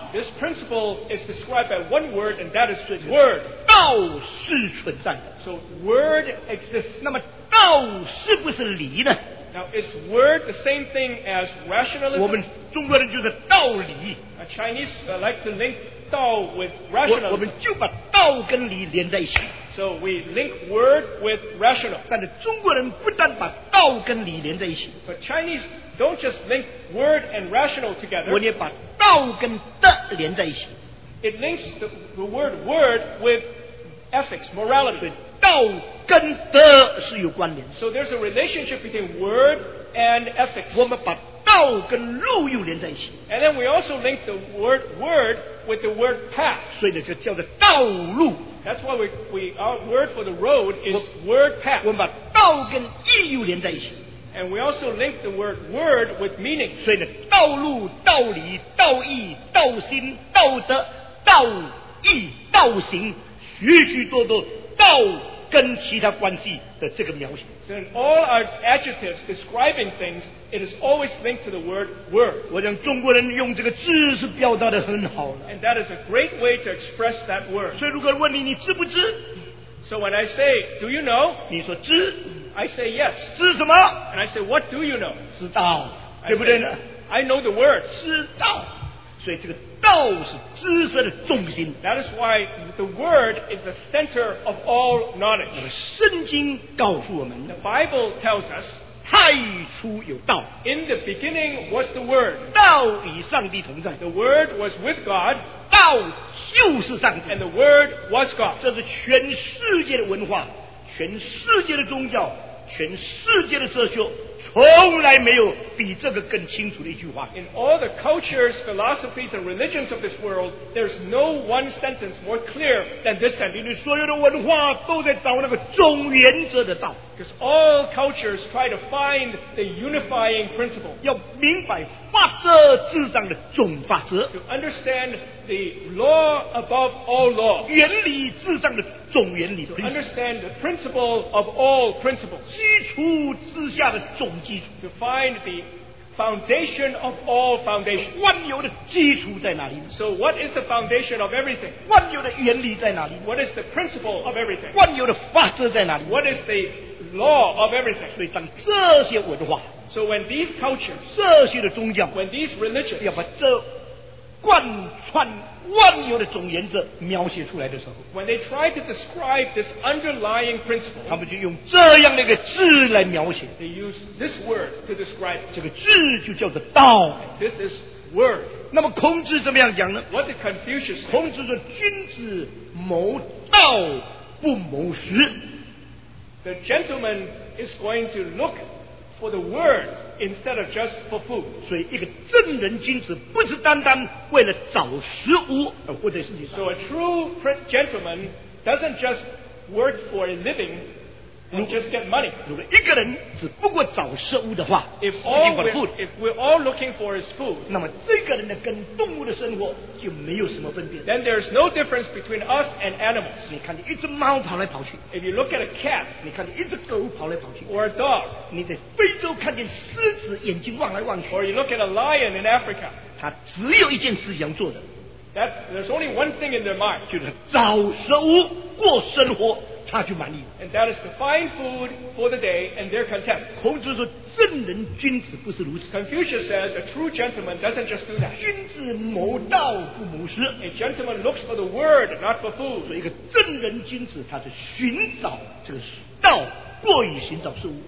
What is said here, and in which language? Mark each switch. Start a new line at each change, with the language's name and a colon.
English: this principle is described by one word, and that is word.
Chinese: 道是存在的,
English: so word exists.
Chinese: 那么道是不是理呢?
English: Now is word the same thing as rationalism?
Chinese: 我们中国人就是道理,
English: a Chinese like to link 道 with rationalism.
Chinese: 我们就把道跟理连在一起。
English: So we link word with rational.
Chinese: 但是中国人不但把道跟理连在一起。
English: But Chinese don't just link word and rational together.
Chinese: 我也把道跟德连在一起。
English: It links the word with ethics, morality.
Chinese: 所以道跟德是有关联。
English: So there's a relationship between word and ethics.
Chinese: 我们把道跟路又连在一起。
English: And then we also link the word with the word path.
Chinese: 所以呢，就叫做道路。
English: That's why our word for the road is word path.
Chinese: 我们把道跟意又连在一起。
English: And we also link the word with meaning.
Chinese: 所以呢，道路、道理、道义、道心、道德、道义、道行，许许多多道跟其他关系的这个描写。
English: So in all our adjectives describing things, it is always linked to the word.
Chinese: 我想中国人用这个字是表达得很好了。
English: And that is a great way to express that word.
Chinese: 所以如果问你，你知不知？
English: So when I say, do you know?
Chinese: 你说知。
English: I say yes.
Chinese: 知什么？
English: And I say, what do you know?
Chinese: 知道，对不对呢？
English: I know the word.
Chinese: 知道。所以这个道是知识的中心。
English: That is why the word is the center of all knowledge.
Chinese: 圣经告诉我们。
English: The Bible tells us.
Chinese: 太初有道。
English: In the beginning was the word.
Chinese: 道与上帝同在。
English: The word was with God.
Chinese: 道就是上帝。
English: And the word was God.
Chinese: 这是全世界的文化，全世界的宗教，全世界的哲学，从来没有比这个更清楚的一句话。
English: In all the cultures, philosophies and religions of this world, there's no one sentence more clear than this sentence.
Chinese: 所有的文化都在找那个总原则的道。
English: Because all cultures try to find the unifying principle.
Chinese: 要明白法则之上的总法则。
English: To understand the law above all law.
Chinese: 原理之上的总原理。
English: To understand the principle of all principles.
Chinese: 基础之下的总。
English: To find the foundation of all foundations.
Chinese: 万有的基础在哪里？
English: So what is the foundation of everything?
Chinese: 万有的原理在哪里？
English: What is the principle of everything?
Chinese: 万有的法则在哪里？
English: What is the law of everything?
Chinese: 所以当这些文化，
English: So when these cultures,
Chinese: 这些的宗教，
English: When these religions,
Chinese: 要把这贯穿万有的总原则描写出来的时候，
English: When they try to describe this underlying principle,
Chinese: 他们就用这样的一个字来描写。
English: They use this word to describe it.
Chinese: 这个字就叫做道。
English: This is word.
Chinese: 那么孔子怎么样讲呢？
English: What did Confucius say?
Chinese: 孔子说君子谋道不谋食。
English: The gentleman is going to look for the word instead of just for food.
Chinese: 所以一个正人君子不是单单为了找食物而活在世界上。
English: So a true gentleman doesn't just work for a living and just get money.
Chinese: 如果一个人只不过找食物的话，
English: if we're all looking for his food,
Chinese: 那么这个人呢跟动物的生活就没有什么分别。
English: Then there's no difference between us and animals.
Chinese: 你看一只猫跑来跑去，
English: if you look at a cat,
Chinese: 你看一只狗跑来跑去，
English: or a dog,
Chinese: 你在非洲看见狮子眼睛望来望去，
English: or you look at a lion in Africa,
Chinese: 他只有一件事想做的，
English: there's only one thing in their mind,
Chinese: 就是找食物过生活，他就满意了。
English: And that is to find food for the day and they're content.
Chinese: 孔子说正人君子不是如此。
English: Confucius says a true gentleman doesn't just do that.
Chinese: 君子谋道不谋食。
English: A gentleman looks for the word, not for food.
Chinese: 所以一个正人君子他是寻找这个道过于寻找食物。